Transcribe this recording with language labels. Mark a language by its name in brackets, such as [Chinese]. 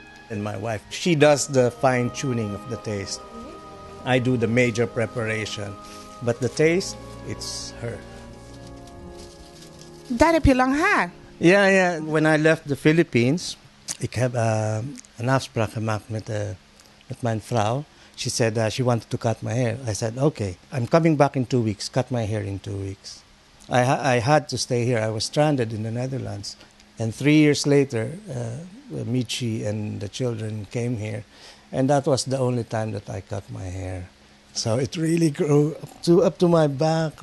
[English] And my wife, she does the fine tuning of the taste. I do the major preparation, but the taste, it's her. [Dutch] Daar heb je lang haar. Ja, ja. [English] When I left the Philippines, [Dutch] ik heb een afspraak gemaakt met mijn vrouw. [English] She said she wanted to cut my hair. I said, okay, I'm coming back in 2 weeks. Cut my hair in 2 weeks. I had to stay here. I was stranded in the Netherlands. And 3 years later, Michi and the children came here. And that was the only time that I cut my hair. So it really grew up to my back.